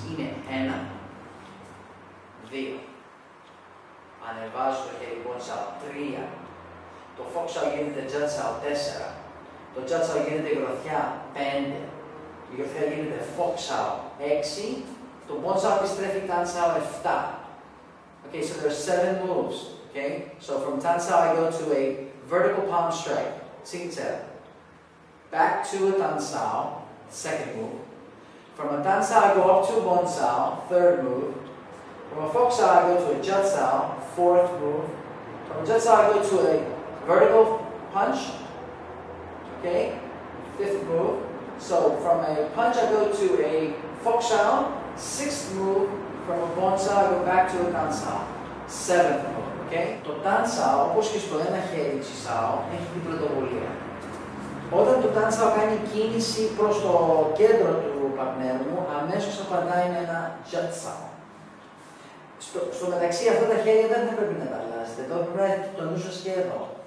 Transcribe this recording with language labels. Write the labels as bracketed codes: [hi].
[el] Είναι 1, 2, ανεβάζω το χέρι μπόνσαο, 3, το φόξαο γίνεται τζάτσαο, 4, το τζάτσαο γίνεται γροθιά, 5, η γροθιά γίνεται φόξαο, 6, το μπόνσαο επιστρέφει τανσαο, 7. [en] Okay, so there are 7 moves. Okay, so from tansao I go to a vertical palm strike, tsingtsel, back to a tansao, second move. From a tansao I go up to a bonsao, third move. From a foxao I go to a jutsao, fourth move. From a jutsao I go to a vertical punch, okay, fifth move. So from a punch I go to a foxao, sixth move. From a bonsao I go back to a tansao, seventh move. Okay. [el] Το τάνσαο, όπως και στο ένα χέρι τσισάο, έχει την πρωτοβουλία. Όταν το τάνσαο κάνει κίνηση προς το κέντρο του παρτνέρ μου, αμέσως απαντάει με ένα τζατσάο. Στο μεταξύ, αυτά τα χέρια δεν θα πρέπει να τα αλλάζετε. Εδώ πρέπει να έχετε το νου σας και εδώ.